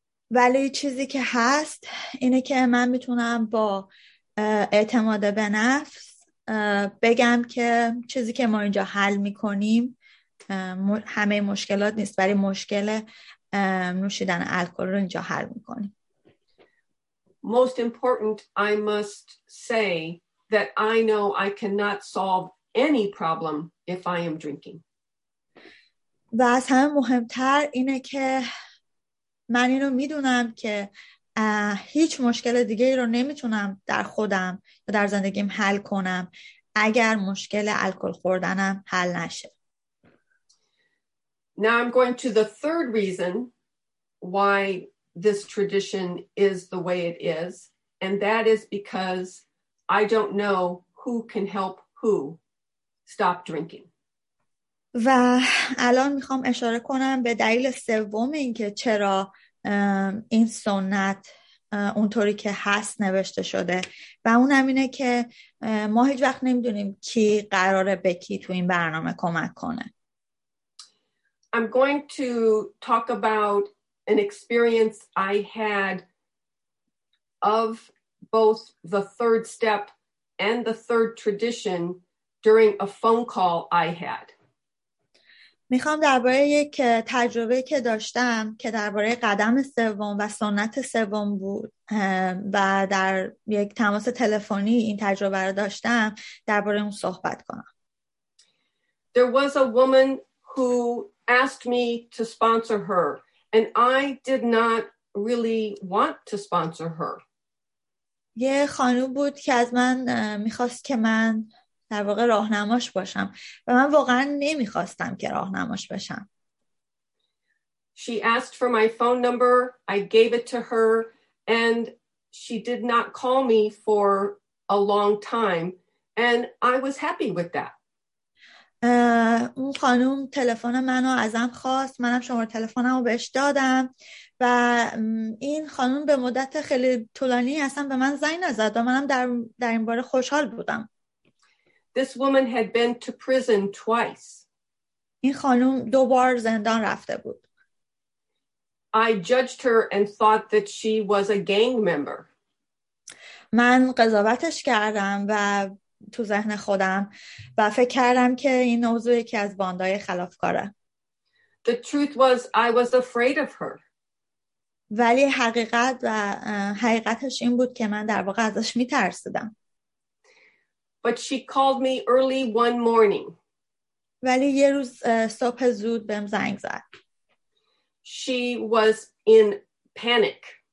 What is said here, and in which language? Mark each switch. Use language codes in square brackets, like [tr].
[fa] ولی چیزی که هست اینه که من میتونم با اعتماد به نفس بگم که چیزی که ما اینجا حل میکنیم همه مشکلات نیست ولی مشکل نوشیدن الکل رو اینجا حل میکنیم. [en] Most important, I must say that I know I cannot solve any problem if I am drinking. [fa] و از همه مهمتر اینه که من اینو میدونم که هیچ مشکل دیگه ای رو نمیتونم در خودم یا در زندگیم حل کنم اگر مشکل الکل خوردنم حل نشه. [en] Now I'm going to the third reason why this tradition is the way it is, and that is because I don't know who can help who stop drinking. [fa] و الان میخوام اشاره کنم به دلیل سوم اینکه چرا این سنت اونطوری که هست نوشته شده و اونم اینه که ما هیچ وقت نمیدونیم کی قراره به کی تو این برنامه کمک کنه. [en] I'm going to talk about an experience I had of both the third step and the third tradition during a phone call I had. [fa] میخوام درباره یک تجربه که داشتم که درباره قدم سوم و سنت سوم بود و در یک تماس تلفنی این تجربه رو داشتم درباره اون صحبت کنم. [en] There was a woman who asked me to sponsor her and I did not really want to sponsor her. [fa] یه خانوم بود که از من میخواست که من در واقع راهنماش باشم و من واقعا نمیخواستم که راهنماش بشم. [en] She asked for my phone number. I gave it to her and she did not call me for a long time and I was happy with that. [fa] اون خانم تلفن منو ازم خواست، منم شماره تلفنمو بهش دادم و این خانم به مدت خیلی طولانی اصلا به من زنگ نزد و منم در این باره خوشحال بودم. [en] This woman had been to prison twice. [fa] این خانم دو بار زندان رفته بود. [en] I judged her and thought that she was a gang member. [fa] من قضاوتش کردم و تو ذهن خودم و فکر کردم که این موضوع یکی از باندای خلافکاره. [en] The truth was I was afraid of her. [fa] ولی حقیقت و حقیقتش این بود که من در واقع ازش می‌ترسیدم. [en] But she called me early one morning. [fa] ولی یه روز صبح زود بهم زنگ زد. [en] She was in panic.